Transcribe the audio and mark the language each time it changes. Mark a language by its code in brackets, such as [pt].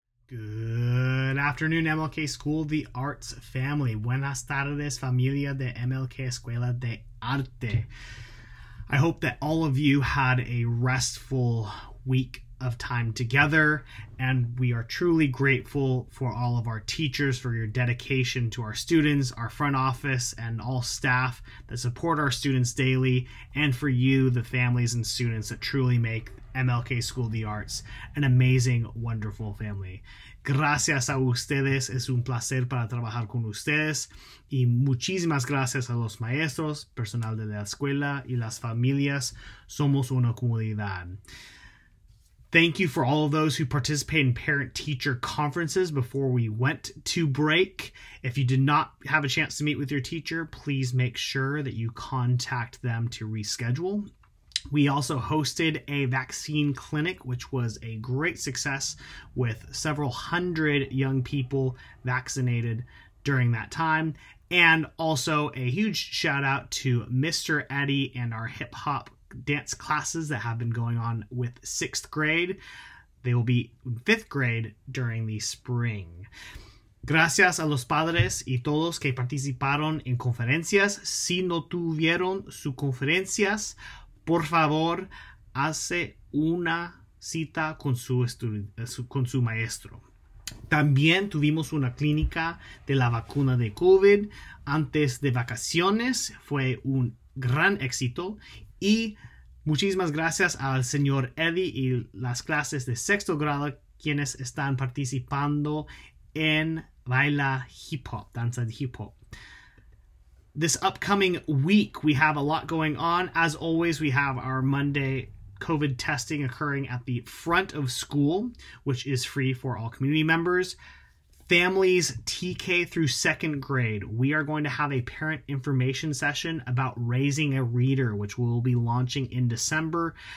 [en] Good afternoon, MLK School of the Arts family. [es] Buenas tardes, familia de MLK Escuela de Arte. [en] I hope that all of you had a restful week of time together, and we are truly grateful for all of our teachers, for your dedication to our students, our front office, and all staff that support our students daily, and for you, the families and students that truly make MLK School of the Arts an amazing, wonderful family. [es] Gracias a ustedes, es un placer para trabajar con ustedes, y muchísimas gracias a los maestros, personal de la escuela, y las familias, somos una comunidad. [en] Thank you for all of those who participated in parent-teacher conferences before we went to break. If you did not have a chance to meet with your teacher, please make sure that you contact them to reschedule. We also hosted a vaccine clinic, which was a great success with several hundred young people vaccinated during that time. And also a huge shout out to Mr. Eddie and our hip hop dance classes that have been going on with sixth grade. They will be fifth grade during the spring. [es] Gracias a los padres y todos que participaron en conferencias. Si no tuvieron sus conferencias, por favor, hace una cita con su maestro. También tuvimos una clínica de la vacuna de COVID antes de vacaciones. Fue un gran éxito. Y muchísimas gracias al señor Eddie y las clases de sexto grado quienes están participando en baila hip hop, danza de hip hop. [en] This upcoming week, we have a lot going on. As always, we have our Monday COVID testing occurring at the front of school, which is free for all community members. Families TK through second grade, we are going to have a parent information session about raising a reader, which we'll be launching in December.